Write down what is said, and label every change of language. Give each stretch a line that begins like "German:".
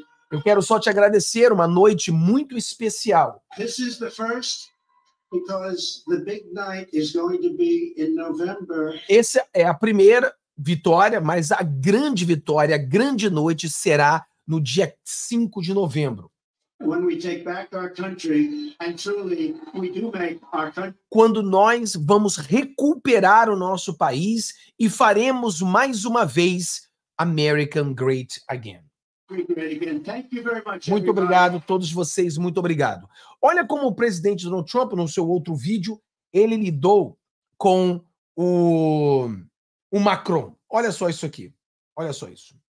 Portuguese: Eu quero só te agradecer, uma noite muito especial.
English: This is the first, because the big night is going to be in November.
Portuguese: Essa é a primeira vitória, mas a grande vitória, a grande noite será no dia 5 de novembro.
English: When we take back our country, and truly we do make our country.
Portuguese: Quando nós vamos recuperar o nosso país e faremos mais uma vez
English: American Great Again. Thank you very much,
Portuguese: muito obrigado a todos vocês, muito obrigado. Olha como o presidente Donald Trump, no seu outro vídeo, ele lidou com o Macron. Olha só isso aqui. Olha só isso.